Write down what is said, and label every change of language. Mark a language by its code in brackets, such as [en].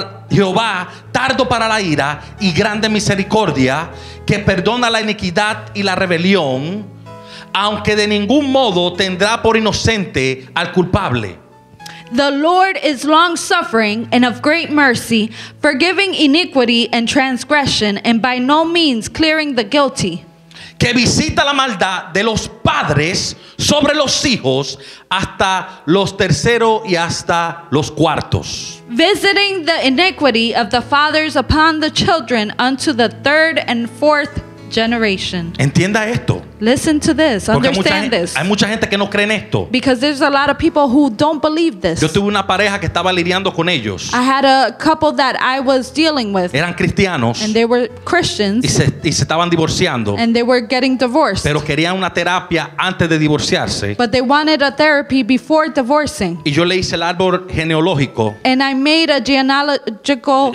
[es] Jehová tardo para la ira y grande misericordia, que perdona la iniquidad y la rebelión, aunque de ningún modo tendrá por inocente al culpable. [en] The Lord is long-suffering and of great mercy, forgiving iniquity and transgression, and by no means clearing the guilty. [es] Que visita la maldad de los padres sobre los hijos hasta los terceros y hasta los cuartos. [en] Visiting the iniquity of the fathers upon the children unto the third and fourth generation. [es] Entienda esto. [en] Listen to this. Understand this. [es] Hay mucha gente que no cree en esto. [en] Because there's a lot of people who don't believe this. [es] Yo tuve una pareja que estaba lidiando con ellos. [en] I had a couple that I was dealing with. [es] Eran cristianos. [en] And they were Christians. [es] Y se estaban divorciando. [en] And they were getting divorced. [es] Pero querían una terapia antes de divorciarse. [en] But they wanted a therapy before divorcing. [es] Y yo le hice el árbol genealógico. [en] And I made a genealogical.